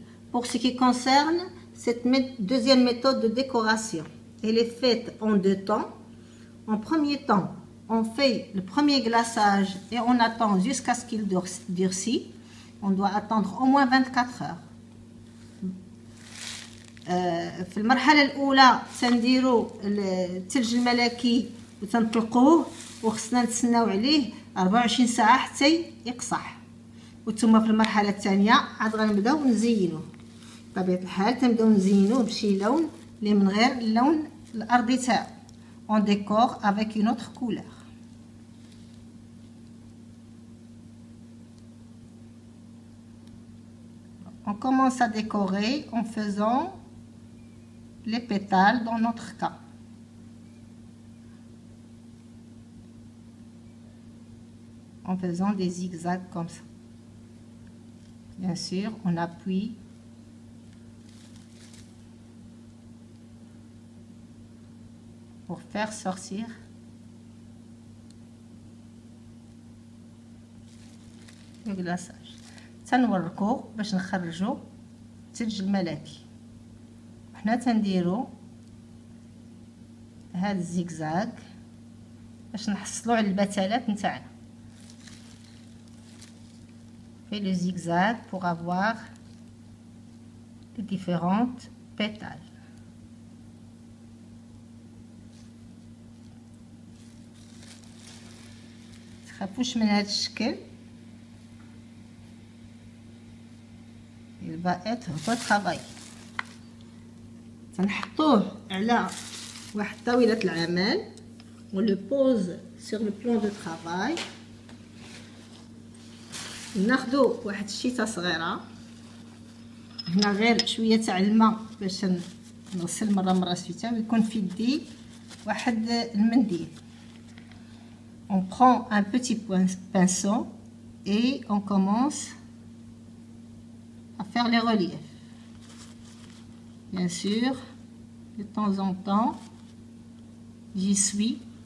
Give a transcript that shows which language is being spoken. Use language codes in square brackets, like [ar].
[fr] Pour ce qui concerne cette deuxième méthode de décoration, elle est faite en deux temps. En premier temps, on fait le premier glaçage et on attend jusqu'à ce qu'il durcit. On doit attendre au moins 24 heures. [ar] في المرحلة الأولى تنديرو الثلج الملكي وتنطلقوه وخصنا نتسناو عليه 24 ساعة حتى يقصح. وثم في المرحلة الثانية عاد غنبداو نزينوه. بطبيعة الحال تنبداو نزينوه بشي لون اللي من غير اللون الأرضي تاعو. [fr] On décore avec une autre couleur. On commence à décorer en faisant les pétales dans notre cas. En faisant des zigzags comme ça. Bien sûr, on appuie. Pour faire sortir le glaçage. [ar] تنوركو باش نخرجو الثلج الملكي. حنا تنديرو هاد الزيكزاك باش نحصلو على البتلات نتاعنا. [fr] في لو زيكزاك pour avoir les différentes pétales. [ar] تخافوش من هاد الشكل، يبقى [fr] اتر فو طراي. [ar] تنحطوه على واحد طاولة العمل [fr] و لو بوز سور لو بلون دو طراي. [ar] ناخدو واحد الشيطة صغيرة هنا، غير شوية تاع الماء باش نغسل مرة مرة الشيطة، و يكون في يدي واحد المنديل. On prend un petit pinceau et on commence à faire les reliefs. Bien sûr, de temps en temps, j'y suis.